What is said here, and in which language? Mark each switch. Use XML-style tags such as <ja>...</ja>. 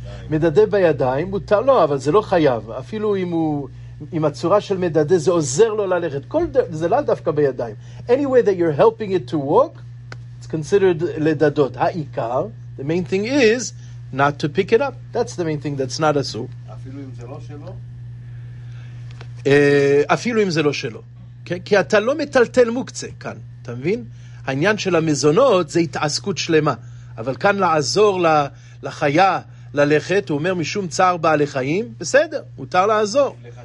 <he>מדדה בידיים, מותר, לא, אבל זה לא חייב. אפילו אם הוא, עם הצורה של מדדה, זה עוזר לו ללכת. כל, זה לא דווקא בידיים.</he> <en>Any way that you're helping it to walk, it's considered לדדות. העיקר, the main thing is not to pick it up. That's the main thing that's not אסור.</en> <he>אפילו אם זה לא שלו? אפילו אם זה לא שלו. כן? כי אתה לא מטלטל מוקצה כאן, אתה מבין? העניין של המזונות זה התעסקות שלמה. אבל כאן לעזור לחיה ללכת, הוא אומר משום צער בעלי חיים, בסדר, מותר לעזור.</he>